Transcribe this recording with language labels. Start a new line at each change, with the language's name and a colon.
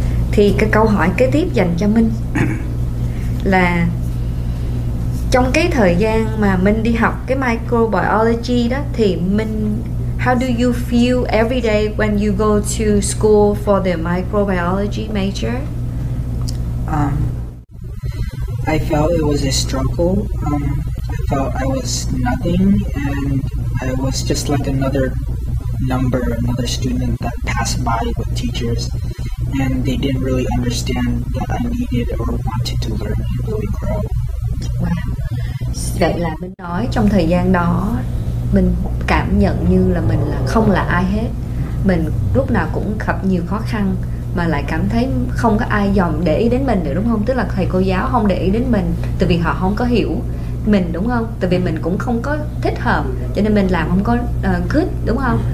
Vietnamese: Thì cái câu hỏi kế tiếp dành cho Minh là trong cái thời gian mà Minh đi học cái microbiology đó, thì Minh,
English: how do you feel every day when you go to school for the microbiology major? I felt it was a struggle. I felt I was nothing and I was just like another number, another student that passed by with teachers and they didn't really understand that I needed or wanted to learn and really grow. Wow.
Vietnamese: Vậy là mình nói trong thời gian đó mình cảm nhận như là mình là không là ai hết. Mình lúc nào cũng gặp nhiều khó khăn mà lại cảm thấy không có ai dòm để ý đến mình nữa, đúng không? Tức là thầy cô giáo không để ý đến mình, từ vì họ không có hiểu mình, đúng không? Từ vì mình cũng không có thích hợp, cho nên mình làm không có good, đúng không?